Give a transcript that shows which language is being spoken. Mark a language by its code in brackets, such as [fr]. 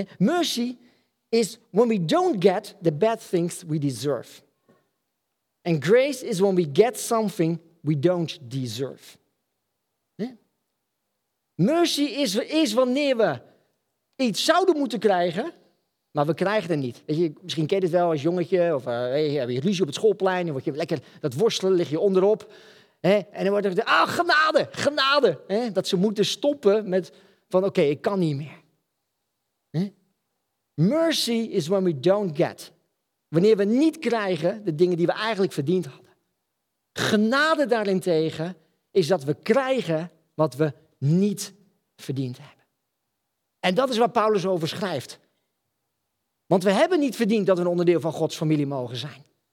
[en] Mercy is when we don't get the bad things we deserve. And grace is when we get something we don't deserve. Mercy is [nl] wanneer we iets zouden moeten krijgen, maar we krijgen het niet. Weet je, misschien ken je het wel als jongetje, of heb je ruzie op het schoolplein, en word je lekker dat worstelen, lig je onderop. En dan wordt er gezegd, genade, genade. Dat ze moeten stoppen met, oké, ik kan niet meer. [en] Mercy is when we don't get. [nl] Wanneer we niet krijgen de dingen die we eigenlijk verdiend hadden. Genade daarentegen is dat we krijgen wat we niet verdiend hebben. En dat is waar Paulus over schrijft. Want we hebben niet verdiend dat we een onderdeel van Gods familie mogen zijn.